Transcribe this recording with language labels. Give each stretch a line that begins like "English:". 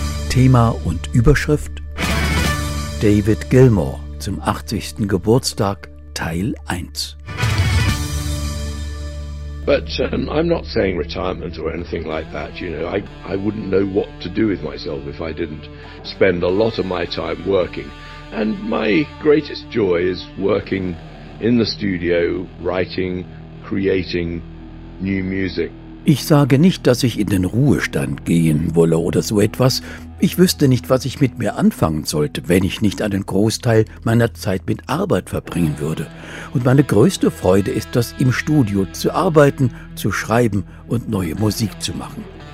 German: Thema und Überschrift: David Gilmour zum 80. Geburtstag, Teil 1.
English: But I'm not saying retirement or anything like that. You know, I wouldn't know what to do with myself if I didn't spend a lot of my time working. And my greatest joy is working in the studio, writing, creating new music.
German: Ich sage nicht, dass ich in den Ruhestand gehen wolle oder so etwas. Ich wüsste nicht, was ich mit mir anfangen sollte, wenn ich nicht einen Großteil meiner Zeit mit Arbeit verbringen würde. Und meine größte Freude ist das, im Studio zu arbeiten, zu schreiben und neue Musik zu machen.